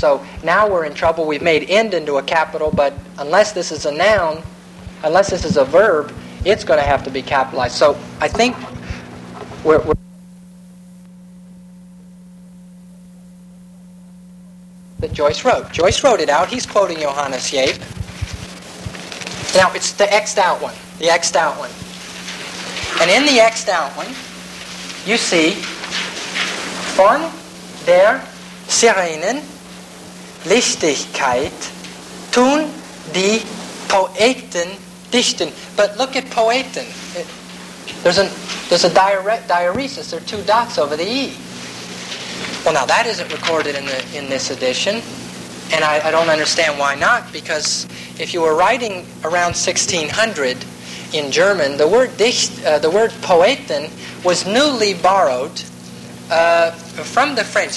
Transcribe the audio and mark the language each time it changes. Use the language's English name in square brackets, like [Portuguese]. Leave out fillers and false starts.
[English] So now we're in trouble. We've made end into a capital, but unless this is a noun, unless this is a verb, it's going to have to be capitalized. So I think we're that Joyce wrote. Joyce wrote it out. He's quoting Johannes Jaep. Now it's the X'd out one. The X'd out one. And in the X'd out one, you see, [German] von der Sirenen Lichtigkeit tun die Poeten dichten. [English] But look at Poeten. There's a diuresis. There are two dots over the E. Well, now that isn't recorded in this edition, and I don't understand why not, because if you were writing around 1600 in German, the word Poeten was newly borrowed from the French.